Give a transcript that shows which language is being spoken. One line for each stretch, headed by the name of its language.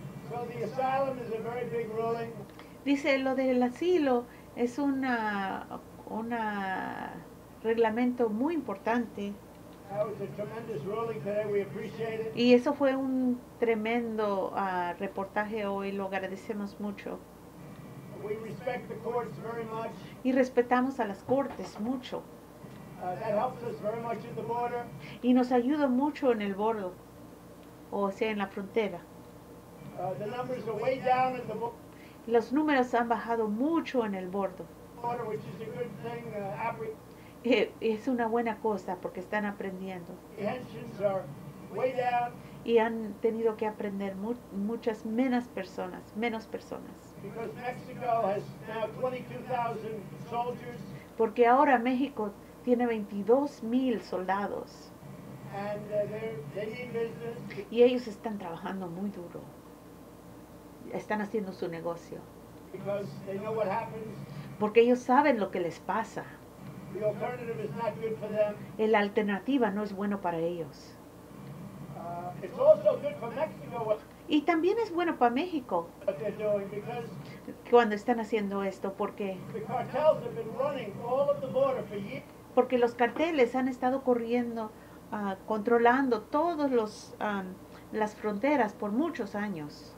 English: Well, the asylum is a very big ruling.
Spanish: Dice lo del asilo es una reglamento muy importante.
English: That was a tremendous ruling today. We appreciate it.
Spanish: Y eso fue un tremendo reportaje hoy. Lo agradecemos mucho.
English: We respect the courts very much.
Spanish: Y respetamos a las cortes mucho.
English: That helps us very much at the border.
Spanish: Y nos ayuda mucho en el bordo, o sea, en la frontera.
English: The numbers are way down at the border.
Spanish: Los números han bajado mucho en el bordo.
English: Border, which is a good thing,
Spanish: es una buena cosa porque están aprendiendo.
English: Tensions are way down.
Spanish: Y han tenido que aprender muchas menos personas.
English: Because Mexico has now 22,000 soldiers.
Spanish: Porque ahora México tiene 22,000 soldados.
English: And, they need business.
Spanish: Y ellos están trabajando muy duro. Están haciendo su negocio.
English: Because they know what happens.
Spanish: Porque ellos saben lo que les pasa.
English: The alternative is not good for them.
Spanish: La alternativa no es bueno para ellos.
English: It's also good for Mexico.
Spanish: Y también es bueno para México.
English: What they're doing because
Spanish: cuando están haciendo esto, porque
English: the cartels have been running all of the border for years.
Spanish: Porque los carteles han estado corriendo, controlando todos los las fronteras por muchos años.